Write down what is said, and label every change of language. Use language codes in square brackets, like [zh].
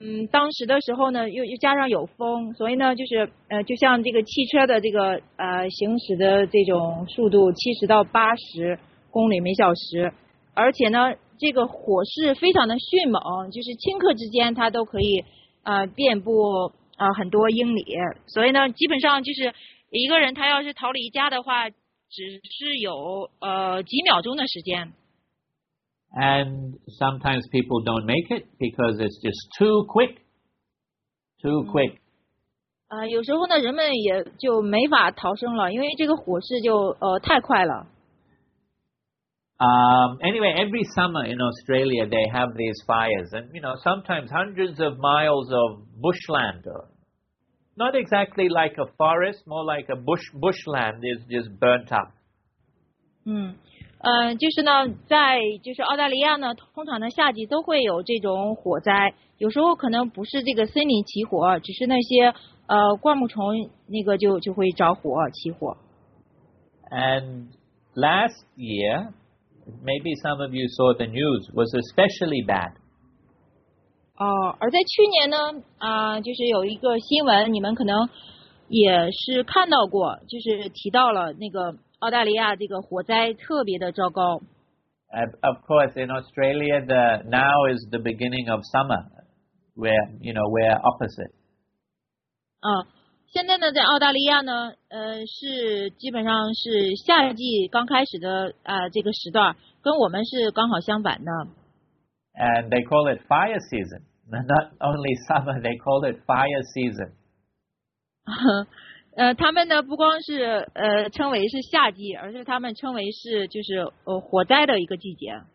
[zh] 当时的时候呢，又加上有风，所以呢，就是就像这个汽车的这个行驶的这种速度，70-80公里每小时，而且呢，这个火势非常的迅猛，就是顷刻之间它都可以遍布很多英里，所以呢，基本上就是一个人他要是逃离家的话，只是有几秒钟的时间。 [en] And sometimes people don't make it because it's just too quick, too quick. [zh] 有时候呢，人们也就没法逃生了，因为这个火势就太快了。 [en] Anyway, every summer in Australia they have these fires, and you know sometimes hundreds of miles of bushland, or not exactly like a forest, more like a bushland is just burnt up. [zh] 就是呢，在就是澳大利亚呢，通常的夏季都会有这种火灾，有时候可能不是这个森林起火，只是那些灌木丛那个就会着火起火。 [en] And last year, maybe some of you saw the news, was especially bad. [zh] 而在去年呢，就是有一个新闻，你们可能也是看到过，就是提到了那个。澳大利亚这个火灾特别的糟糕。 [en] Of course, in Australia, the now is the beginning of summer, where you know we're opposite. [zh] 现在呢，在澳大利亚呢，是基本上是夏季刚开始的这个时段，跟我们是刚好相反的。 [en] And they call it fire season, not only summer. They call it fire season. [zh] 他们呢不光是称为是夏季，而是他们称为是就是火灾的一个季节。